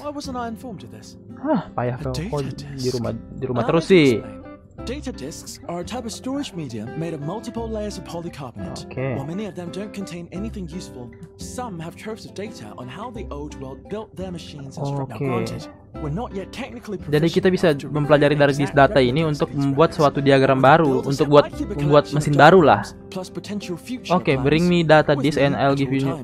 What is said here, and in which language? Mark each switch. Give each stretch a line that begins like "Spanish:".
English: Why wasn't I informed of this?
Indonesian: Hah, payah kau. Di rumah terus sih.
English: Data disks are a type of storage medium made of multiple layers of polycarbonate. Okay. While many of them don't contain anything useful, some have troves of data on how the old world built their machines and structures. We're not yet technically proficient.
Indonesian: Jadi kita bisa mempelajari dari disk data ini untuk membuat suatu diagram baru, untuk buat mesin baru lah.
English: Okay, bring me data disk and I'll give you.